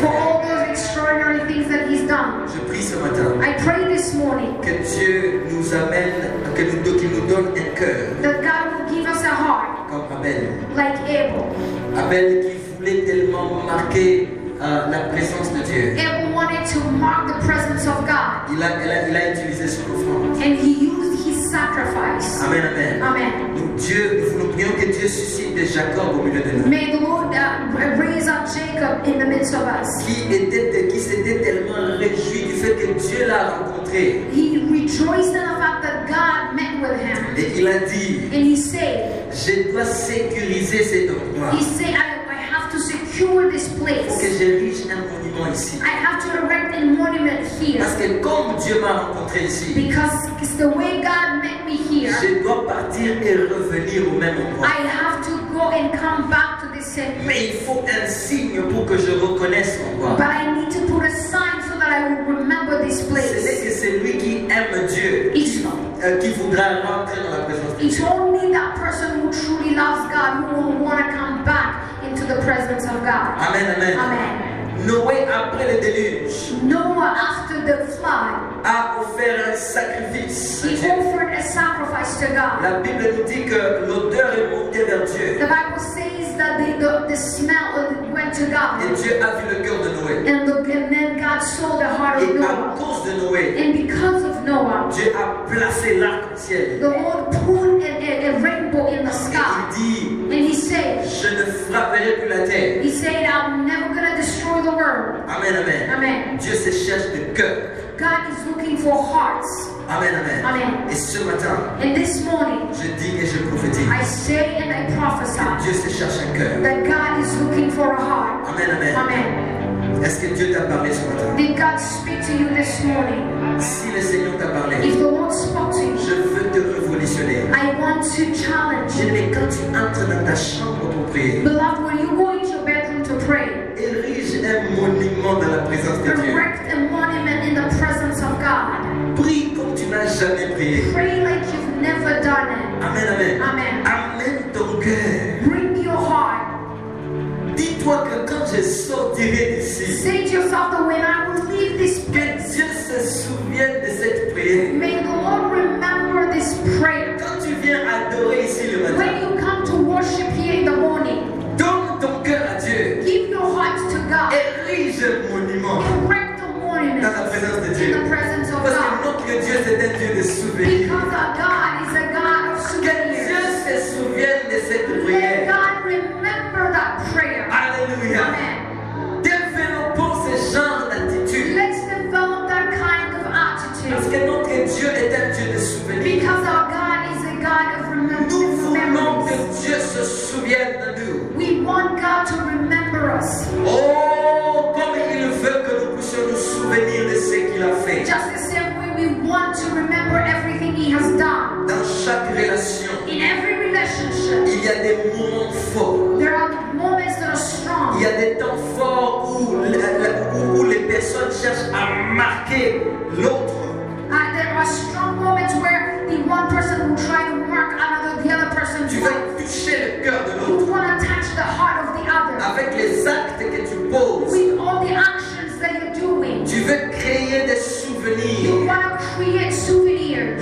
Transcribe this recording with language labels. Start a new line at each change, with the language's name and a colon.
English: For all those extraordinary things that he's done.
French: Je prie ce matin.
English: I pray this morning.
French: Que Dieu nous amène, qu'il nous donne un cœur.
English: That God will give us a heart.
French: Comme Abel.
English: Like Abel.
French: Abel qui voulait tellement marquer la présence de Dieu.
English: Abel wanted to mark the presence of God.
French: Il a utilisé son offrande.
English: And he used his sacrifice.
French: Amen, amen.
English: Amen.
French: Dieu, nous prions que Dieu suscite des Jacob au milieu de nous.
English: May the Lord raise up Jacob in the midst of us.
French: Qui s'était tellement réjoui du fait que Dieu l'a rencontré.
English: He rejoiced in the fact that God met with him.
French: Et il a dit.
English: And he said.
French: Je dois sécuriser cet endroit.
English: He said, I have to secure this place.
French: Pour que je rige un monument ici.
English: I have to erect a monument here.
French: Parce que comme Dieu m'a rencontré ici.
English: Because it's the way God met.
French: Je dois partir et revenir au même endroit.
English: I have to go and come back to the same place.
French: Mais il faut un signe pour que je reconnaisse mon endroit.
English: But I need to put a sign so that I will remember this place.
French: Ce n'est que celui qui aime Dieu qui voudra rentrer dans la présence de Dieu.
English: It's only that person who truly loves God who will want to come back into the presence of God.
French: Amen, amen.
English: Amen.
French: Noé après le déluge.
English: Noah after the flood.
French: A offert un sacrifice.
English: He offered a sacrifice to God.
French: La Bible nous dit que l'odeur est montée vers Dieu.
English: The Bible says that the smell went to God.
French: Et Dieu a vu le cœur de Noé.
English: And then God saw the heart of Noah.
French: Et à cause de Noé.
English: And because of Noah.
French: Dieu a placé l'arc-en-ciel.
English: The Lord put a rainbow in the sky.
French: Et il dit.
English: And he said.
French: Je ne frapperai plus la terre.
English: He said, I'm never going to destroy the world.
French: Amen, amen.
English: Amen.
French: Dieu se cherche de cœur.
English: God is looking for hearts.
French: Amen, amen.
English: Amen.
French: Et ce matin,
English: and this morning,
French: je dis et je prophétise,
English: I say and I prophesy
French: Dieu se cherche un cœur.
English: That God is looking for a heart.
French: Amen, amen.
English: Amen.
French: Est-ce que Dieu t'a parlé ce matin?
English: Did God speak to you this morning?
French: Si le Seigneur t'a parlé,
English: if the Lord spoke to you,
French: je veux te révolutionner.
English: I want to challenge you.
French: Mais quand tu entres dans ta chambre pour prier,
English: beloved, when you go into your bedroom to pray,
French: érige un monument dans la présence de Dieu.
English: Erect a monument in the presence of God.
French: Prie comme tu n'as jamais prié.
English: Pray like you've never done it.
French: Amen, amen.
English: Amen.
French: Amen ton cœur.
English: Bring your heart.
French: Dis-toi que quand je sortirai d'ici,
English: say to yourself that when I will leave this place,
French: que Dieu se souvienne de cette prière.
English: May the Lord remember this prayer.
French: Quand tu viens adorer ici le matin,
English: when you come to worship here in the morning,
French: donne ton cœur à Dieu.
English: Give your heart to God.
French: Érige un monument.
English: Erect a monument.
French: Dans la présence de Dieu.
English: In the presence of
French: Parce
English: God.
French: Parce que notre Dieu c'est un Dieu de souvenirs.
English: Because our God is a God of souvenirs.
French: Que Dieu se souvienne de cette prière.
English: Let God remember that prayer.
French: Alléluia.
English: Amen.
French: Développons ce genre d'attitude.
English: Let's develop that kind of attitude.
French: Parce que notre Dieu est un Dieu de souvenirs.
English: Because our God is a God of remembrance.
French: Nous voulons que Dieu se souvienne de nous.
English: We want God to remember us.
French: Oh, comme il veut que nous puissions nous souvenir de ce qu'il a fait.
English: Just the same way we want to remember everything he has done.
French: Dans chaque relation,
English: in every relationship,
French: il y a des moments forts.
English: There are moments that are strong.
French: Il y a des temps forts où les personnes cherchent à marquer l'autre.
English: There are strong moments where the one person will try to mark another, the other person.
French: Tu veux toucher le cœur de l'autre.
English: You want to touch the heart of the other.
French: Avec les actes que tu poses.
English: With all the actions that you're doing.
French: Tu veux créer des souvenirs.
English: You want to create souvenirs.